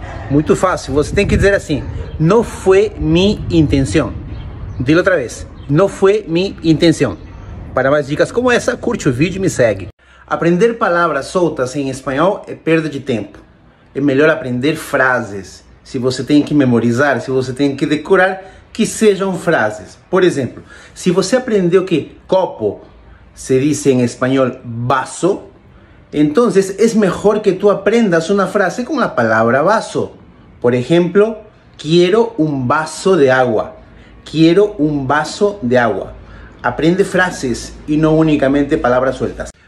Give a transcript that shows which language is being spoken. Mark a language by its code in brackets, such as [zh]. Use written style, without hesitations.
[es] Muy fácil. [pt] Você tem que dizer assim: [es] No fue mi intención. Dilo otra vez. No fue mi intención. Para más dicas como esa, curte el vídeo y me segue. Aprender palabras soltas en español es perda de tiempo. Es mejor aprender frases. [pt] Si você tem que memorizar, si você tem que decorar, que sejam frases. [es] Por ejemplo, si [pt] você aprendeu [es] que copo se dice en español vaso, entonces es mejor que tú aprendas una frase con la palabra vaso. Por ejemplo, quiero un vaso de agua. Quiero un vaso de agua. Aprende frases y no únicamente palabras sueltas.